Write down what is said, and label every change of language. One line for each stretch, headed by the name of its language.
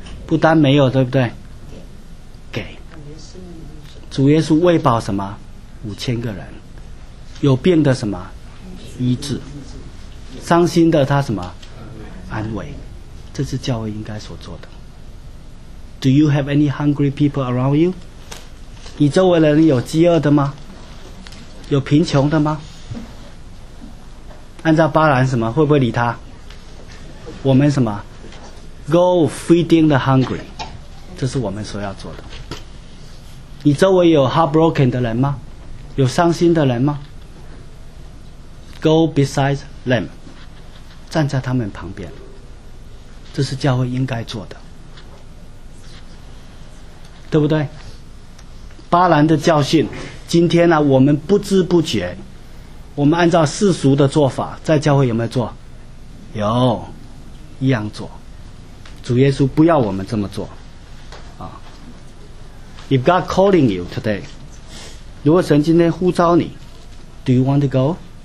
Chinese: 不单没有，对不对？给。主耶稣喂饱什么5000个人，有病的什么医治，伤心的他什么安慰，这是教会应该所做的。
English: Do you have any hungry people around you?
Chinese: 你周围的人有饥饿的吗？有贫穷的吗？按照巴兰什么会不会理他？我们什么
English: Go feeding the hungry，
Chinese: 这是我们所要做的。你周围有 heartbroken 的人吗？有伤心的人吗？
English: Go beside them，
Chinese: 站在他们旁边，这是教会应该做的，对不对？巴兰的教训今天呢，我们不知不觉，我们按照世俗的做法，在教会有没有做？有，一样做。主耶稣不要我们这么做。
English: 啊 ，If God calling you today，
Chinese: 如果神今天呼召你
English: ，Do you want to go？